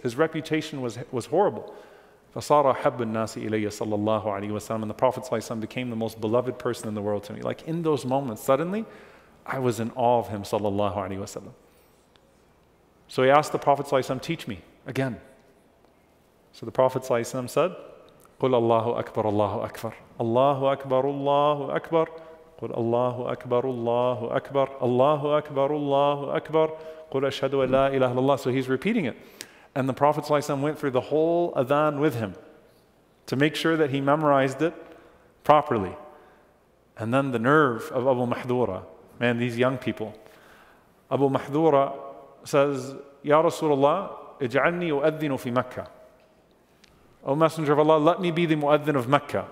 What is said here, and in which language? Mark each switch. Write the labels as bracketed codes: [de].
[en] His reputation was horrible. [ar] فَصَارَ حَبُّ النَّاسِ إِلَيَّ صَلَّى اللَّهُ عَلَيْهِ وَسَلَّمَ. [en] And the Prophet ﷺ became the most beloved person in the world to me. Like in those moments, suddenly, I was in awe of him, صَلَّى اللَّهُ عَلَيْهِ وَسَلَّمَ. So he asked the Prophet ﷺ, teach me again. So the Prophet ﷺ said, [ar] قُلْ اللَّهُ أَكْبَرُ اللَّهُ أَكْبَرُ. اللَّهُ أَكْبَرُ اللَّهُ أَكْبَرُ. قُلْ اللَّهُ أَكْبَرُ اللَّهُ أَكْبَرُ. اللَّهُ أَكْبَرُ اللَّهُ أَكْبَرُ. قُلْ أَشْهَدُ أَنْ لَا إِلَهَ إِلَّا اللَّهُ. [en] So he's repeating it. And the Prophet ﷺ went through the whole Adhan with him to make sure that he memorized it properly. And then the nerve of Abu Mahdhura, man, these young people. Abu Mahdhura says, [ar] يَا رَسُولَ اللَّهِ اِجْعَلْنِي أُؤَذِّنُ فِي مَكَّةِ. [en] O Messenger of Allah, let me be the Mu'adhin of Mecca.